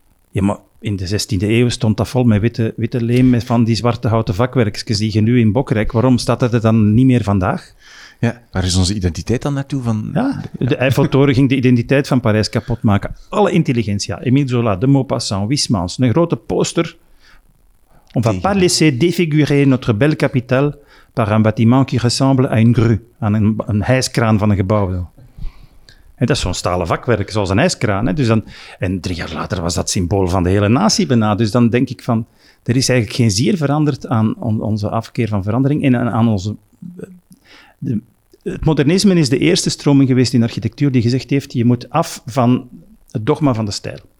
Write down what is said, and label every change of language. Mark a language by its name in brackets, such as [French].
[Dutch] Ja, maar in de 16e eeuw stond dat vol met witte leem met van die zwarte houten vakwerkjes die je nu in Bokrijk. Waarom staat dat er dan niet meer vandaag? Ja, waar is onze identiteit dan naartoe? De Eiffeltoren ging de identiteit van Parijs kapot maken. Alle intelligentsia, Emile Zola, de Maupassant, Wismans, een grote poster... [French] On ne va pas laisser défigurer notre belle capitale par un bâtiment qui ressemble à une grue, [Dutch] aan een hijskraan van een gebouw. En dat is zo'n stalen vakwerk, zoals een hijskraan. Hè. Dus dan, en 3 jaar later was dat symbool van de hele natie bijna. Dus dan denk ik van, er is eigenlijk geen zier veranderd aan onze afkeer van verandering. En aan onze, het modernisme is de eerste stroming geweest in architectuur die gezegd heeft, je moet af van het dogma van de stijl.